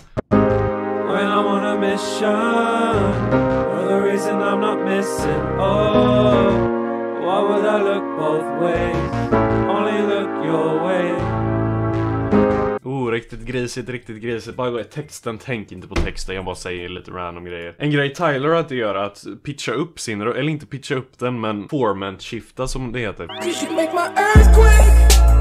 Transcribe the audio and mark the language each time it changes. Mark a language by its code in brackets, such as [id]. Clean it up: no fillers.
[en] When I'm on a mission, or the reason I'm not missing, oh, why would I look both ways, only look your way. [sv] riktigt grisigt. Bara gå i texten, tänk inte på texten, jag bara säger lite random grejer. En grej Tyler hade göra att pitcha upp sin, eller inte pitcha upp den, men formant shifta som det heter. [en] You should make my earthquake.